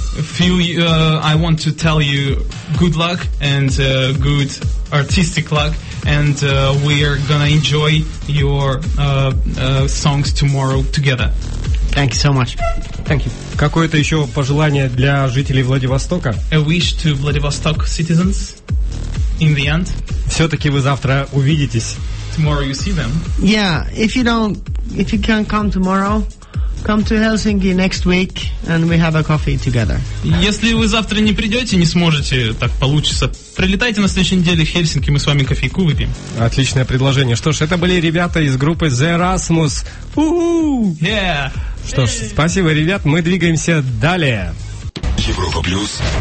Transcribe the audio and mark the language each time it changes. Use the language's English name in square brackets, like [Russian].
[English] Few, I want to tell you good luck and good artistic luck, and we are gonna enjoy your songs tomorrow together. Thank you so much. Thank you. [Russian] Какое-то еще пожелание для жителей Владивостока? [English] A wish to Vladivostok citizens. In the end, [Russian] все-таки вы завтра увидитесь. [English] Tomorrow you see them. Yeah, if you can't come tomorrow, come to Helsinki next week and we have a coffee together. [Russian] Если вы завтра не придете, не сможете, так получится. Прилетайте на следующей неделе в Хельсинки, мы с вами кофейку выпьем. Отличное предложение. Что ж, это были ребята из группы The Erasmus. [English] Yeah. [Russian] Что ж, спасибо, ребят, мы двигаемся далее. Европа Плюс.